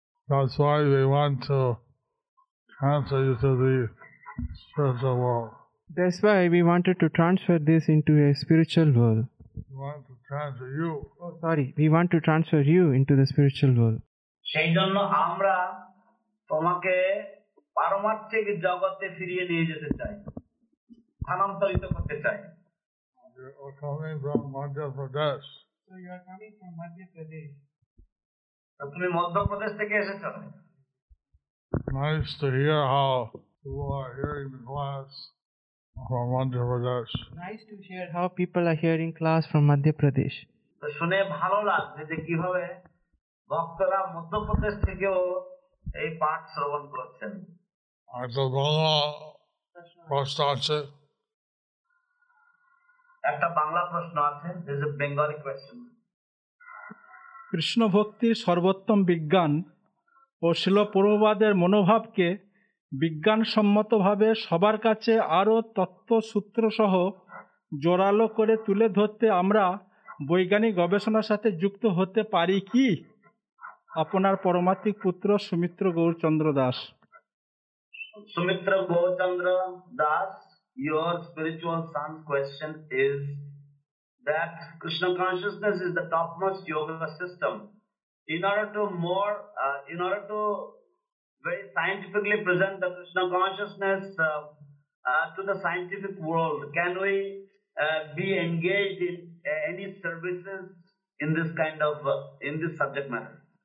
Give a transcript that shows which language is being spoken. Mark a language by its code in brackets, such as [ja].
[en] That's why we want to transfer you to the spiritual world. That's why we wanted to transfer this into a spiritual world. We want to transfer you. Oh, sorry. We want to transfer you into the spiritual world. [bn] সেই জন্য আমরা তোমাকে পারমার্থিক জগতে ফিরিয়ে নিয়ে যেতে চাই, স্থানান্তরিত করতে চাই। [en] You are coming from Madhya Pradesh. So you are coming from Madhya Pradesh. [bn] তো তুমি মধ্য প্রদেশ থেকে এসেছো। [en] Nice to hear how you are hearing the class from Madhya Pradesh. Nice to hear how people are hearing class from Madhya Pradesh. [bn] তো শুনে ভালো লাগছে যে কিভাবে ভক্তরা মধ্যপ্রদেশ থেকেও এই পাঠ শ্রবণ করছেন। আর তো বাংলা প্রশ্ন আছে। একটা বাংলা প্রশ্ন আছে, [en] This is Bengali question. [bn] Krishna ভক্তির সর্বোত্তম বিজ্ঞান ও শিল পূর্ববাদের মনোভাবকে বিজ্ঞানসম্মতভাবে সবার কাছে আরও তত্ত্বসূত্র সহ জোরালো করে তুলে ধরতে আমরা বৈজ্ঞানিক গবেষণার সাথে যুক্ত হতে পারি কি? আপনার পরমাত্মিক পুত্র Sumitra Gourchandra Das. [en] Sumitra Gaurachandra Das, your spiritual son question is that Krishna consciousness is the topmost yoga system. In order to very scientifically present the Krishna consciousness to the scientific world, can we be engaged in any services in this kind of in this subject matter?